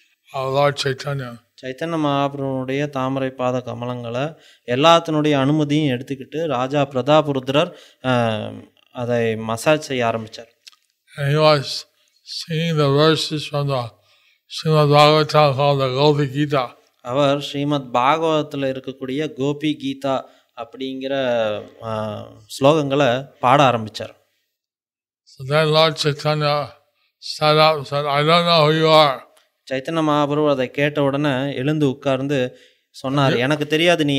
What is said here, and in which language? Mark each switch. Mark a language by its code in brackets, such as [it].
[ta] சைத்தன்ய மகாபிரபுடைய தாமரை பாத கமலங்களை எல்லாத்தினுடைய அனுமதியும் எடுத்துக்கிட்டு ராஜா பிரதாபருத்ரர் அதை மசாஜ் செய்ய ஆரம்பித்தார். [en] He was singing the verses from the Srimad Bhagavatam called the Gopi Gita. [ta] அவர் ஸ்ரீமத் பாகவதத்தில் இருக்கக்கூடிய கோபி கீதா அப்படிங்கிற ஸ்லோகங்களை பாட ஆரம்பித்தார். [en] So then Lord Chaitanya sat up and said, I don't know who you are. [ta] Chaitanya Mahaprabhu அதை கேட்ட உடனே எழுந்து உட்கார்ந்து சொன்னார், எனக்கு தெரியாது நீ